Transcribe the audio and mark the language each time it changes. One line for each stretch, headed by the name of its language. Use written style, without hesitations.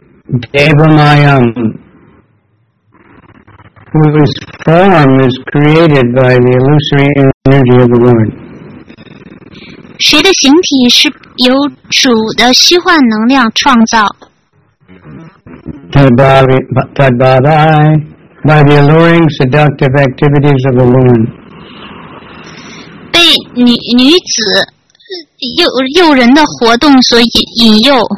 English: Devamayam, whose form is created by the illusory energy of the woman.
Chinese: 谁的形体是由主的虚幻能量创造?
English: Tadbhavai, by the alluring seductive activities of a woman.
Chinese: 被 女子诱人的活动所引诱。